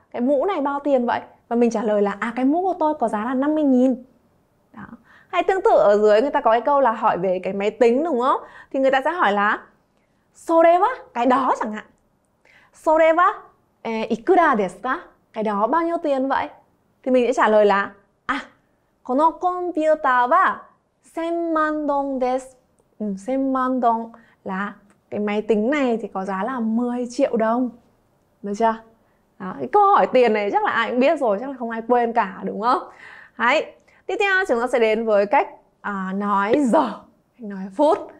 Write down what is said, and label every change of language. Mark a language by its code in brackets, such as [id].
[vi] Cái mũ này bao tiền vậy? Và mình trả lời là à cái mũ của tôi có giá là 50.000. Đó. Hay tương tự ở dưới người ta có cái câu là hỏi về cái máy tính đúng không? Thì người ta sẽ hỏi là [ja] それは [vi] cái đó chẳng hạn. [ja] それは ikura desu ka? [vi] Cái đó bao nhiêu tiền vậy? Thì mình sẽ trả lời là [ja] このコンピューターは 1000万ドンです. 1000万ドン [vi] là cái máy tính này thì có giá là 10 triệu đồng. Được chưa? Đó, cái câu hỏi tiền này chắc là ai cũng biết rồi, chắc là không ai quên cả đúng không? Đấy. Tiếp theo chúng ta sẽ đến với cách nói giờ, nói phút.